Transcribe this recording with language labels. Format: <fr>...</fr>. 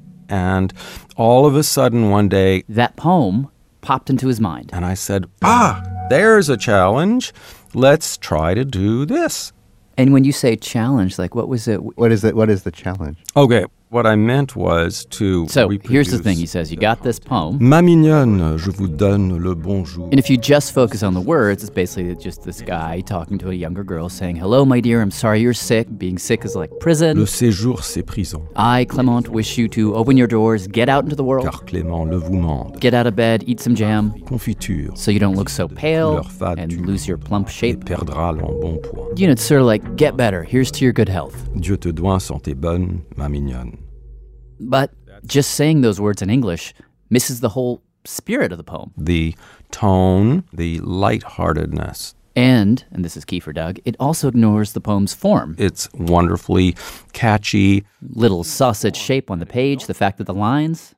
<en>And all of a sudden, one day, that poem popped into his mind. And I said, ah, there's a challenge. Let's try to do this. And when you say challenge, like, what was it? What is it? What is the challenge? Okay, What I meant was to So, here's the thing he says. You got this poem.</en> <fr>Ma mignonne, je vous donne le bonjour.</fr> <en>And if you just focus on the words, it's basically just this guy talking to a younger girl saying, hello, my dear, I'm sorry you're sick. Being sick is like prison.</en> <fr>Le séjour, c'est prison.</fr> <en>I, Clément, wish you to open your doors, get out into the world.</en> <fr>Car Clément le vous mande.</fr> <en>Get out of bed, eat some jam.</en> <fr>Confiture.</fr> <en>So you don't look so pale and lose your plump shape.</en> <fr>Et perdra l'embonpoint.</fr> <en>You know, it's sort of like, get better, here's to your good health.</en> <fr>Dieu te doit santé bonne, ma mignonne.</fr> <en>But just saying those words in English misses the whole spirit of the poem. The tone, the lightheartedness. And this is key for Doug, it also ignores the poem's form. It's wonderfully catchy. Little sausage shape on the page, the fact that the lines</en>